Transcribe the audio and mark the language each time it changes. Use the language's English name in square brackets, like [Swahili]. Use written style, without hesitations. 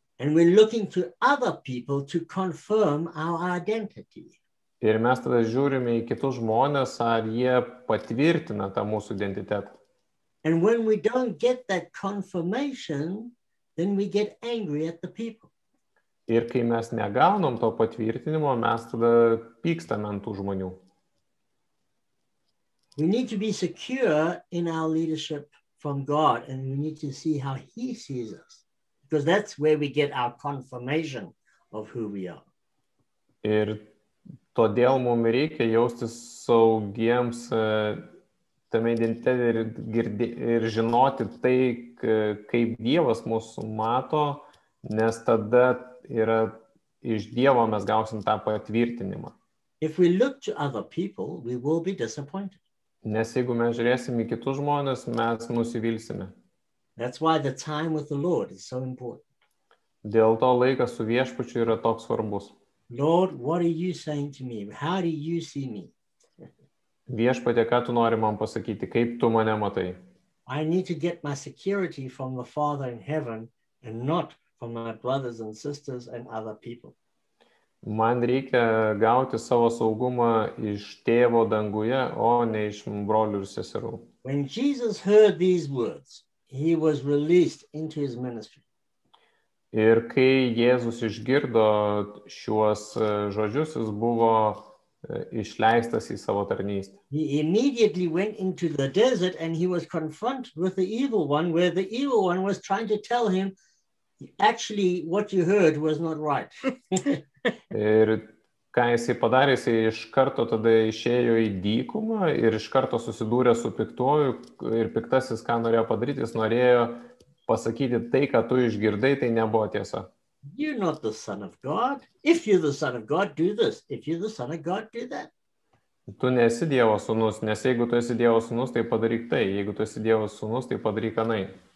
[English] And we're looking to other people to confirm our identity. [Lithuanian] Ir mes tada žiūrime į kitus žmonės, ar jie patvirtina tą mūsų identitetą. [English] And when we don't get that confirmation, then we get angry at the people. [Lithuanian] Ir kai mes negaunom to patvirtinimo, mes tada pykstame ant tų žmonių. [English] We need to be secure in our leadership from God, and we need to see how he sees us. Because that's where we get our confirmation of who we are. [Lithuanian] Ir todėl mums reikia jaustis saugiems tame identitete ir žinoti tai, kaip Dievas mūsų mato, nes tada yra iš Dievo mes gausim tą patvirtinimą. [English] If we look to other people, we will be disappointed. [Lithuanian] Nes jeigu mes žiūrėsim į kitus žmonės, mes nusivilsime. [English] That's why the time with the Lord is so important. [Lithuanian] Dėl to laikas su viešpačiu yra toks svarbus. [English] Lord, what are you saying to me? How do you see me? [Lithuanian] Viešpatie, ką tu nori man pasakyti? Kaip tu mane matai? [English] I need to get my security from the Father in heaven and not from my brothers and sisters and other people. [Lithuanian] Man reikia gauti savo saugumą iš tėvo danguje, o ne iš brolių ir seserų. [English] When Jesus heard these words, he was released into his ministry. [Lithuanian] Ir kai Jėzus išgirdo šiuos žodžius, jis buvo išleistas į savo tarnystę. [English] He immediately went into the desert and he was confronted with the evil one, where the evil one was trying to tell him, actually, what you heard was not right. [Lithuanian] Ir ką jisai padarė, jisai iš karto tada išėjo į dykumą ir iš karto susidūrė su piktuoju ir piktasis, ką norėjo padaryti, jis norėjo pasakyti tai, ką tu išgirdai, tai nebuvo tiesa. [English] You're not the son of God. If you're the son of God, do this. If you're the son of God, do that. [Lithuanian] Tu nesi Dievo sūnus, nes jeigu tu esi Dievo sūnus, tai padaryk tai. Jeigu tu esi Dievo sūnus, tai padaryk anai.